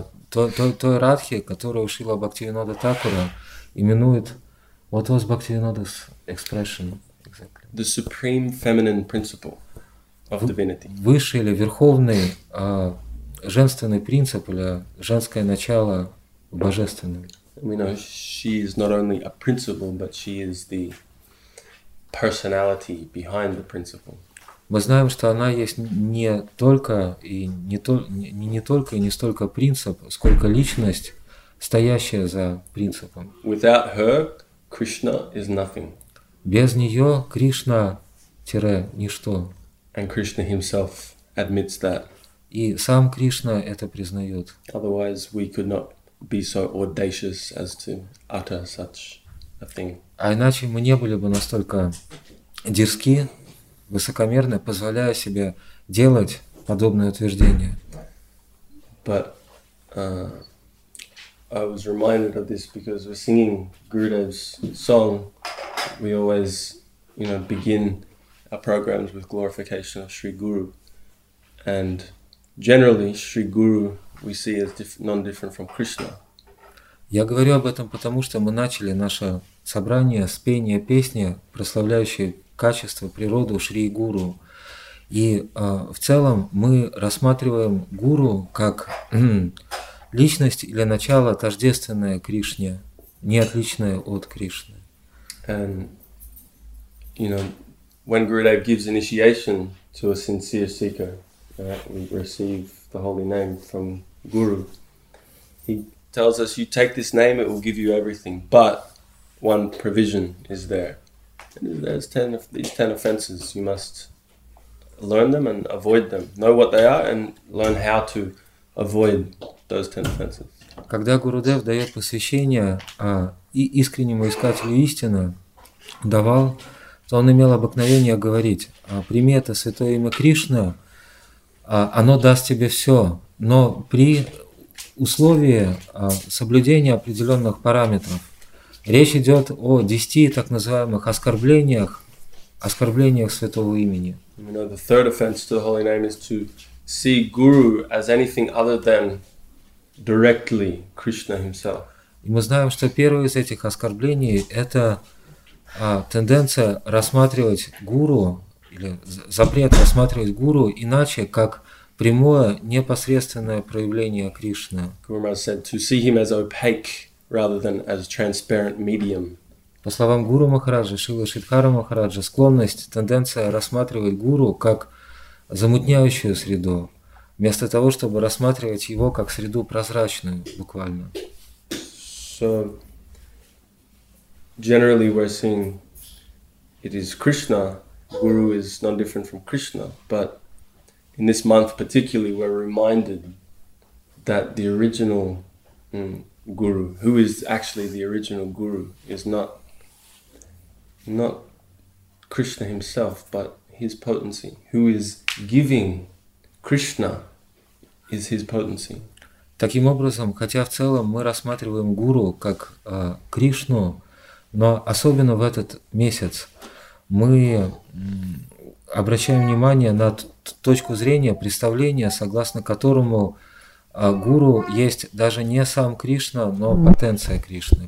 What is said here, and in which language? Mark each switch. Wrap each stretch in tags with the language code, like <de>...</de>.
<ru>Той Радхи, которую Шрила Бхактивинода Такура именует,</ru> <en>what was Bhaktivinoda's expression? The supreme feminine principle of divinity.</en> <ru>Высший или верховный женственный принцип или женское начало божественное.</ru> <en>We know she is not only a principle, but she is the personality behind the principle.</en> <ru>Мы знаем, что она есть не только и не только и не столько принцип, сколько личность, стоящая за принципом.</ru> <en>Without her, Krishna is nothing.</en> <ru>Без нее Кришна тире ничто.</ru> <en>And Krishna himself admits that.</en> <ru>И сам Кришна это признает.</ru> <en>Otherwise, we could not be so audacious as to utter such a thing.</en> <ru>А иначе мы не были бы настолько дерзки, высокомерны, позволяя себе делать подобное утверждение.</ru> <en>But I was reminded of this because we're singing Gurudev's song. We always, you know, begin our programs with glorification of Sri Guru. And generally, Sri Guru we see as non-different from Krishna.</en> <ru>Я говорю об этом потому, что мы начали наше собрание с пения песни, прославляющей качество, природу Шри Гуру. И в целом мы рассматриваем Гуру как личность или начало, тождественное Кришне, не отличное от Кришны.</ru> <en>And, you know, when Gurudev gives initiation to a sincere seeker, we receive the holy name from Guru, he tells us, you take this name, it will give you everything, but one provision is there. There's 10 of these 10 offenses. You must learn them and avoid them. Know what they are and learn how to avoid those 10 offenses.</en> <ru>Когда Гурудев дает посвящение искреннему искателю истины, давал, то он имел обыкновение говорить, прими это святое имя Кришна, оно даст тебе все, но при условии соблюдения определенных параметров. Речь идет о 10 так называемых оскорблениях, оскорблениях святого имени.</ru> <en>You know, the third offense to the holy name is to see Guru as anything other than directly Krishna himself.</en> <ru>И мы знаем, что первое из этих оскорблений – это тенденция рассматривать Гуру, или запрет рассматривать Гуру иначе, как прямое, непосредственное проявление Кришны.</ru> <en>Guru Maharaj said to see him as opaque rather than as transparent medium.</en> <ru>По словам Гуру Махараджа, Шрилы Шридхара Махараджа, склонность, тенденция рассматривать Гуру как замутняющую среду, вместо того, чтобы рассматривать его как среду прозрачную, буквально.</ru> <en>So, generally we're seeing it is Krishna, Guru is no different from Krishna, but in this month particularly we're reminded that the original Guru, who is actually the original Guru, is not Krishna himself, but his potency. Who is giving Krishna is his potency.</en> <ru>Таким образом, хотя в целом мы рассматриваем Гуру как Кришну, но особенно в этот месяц мы обращаем внимание на точку зрения, представления, согласно которому Гуру есть даже не сам Кришна, но потенция Кришны.</ru>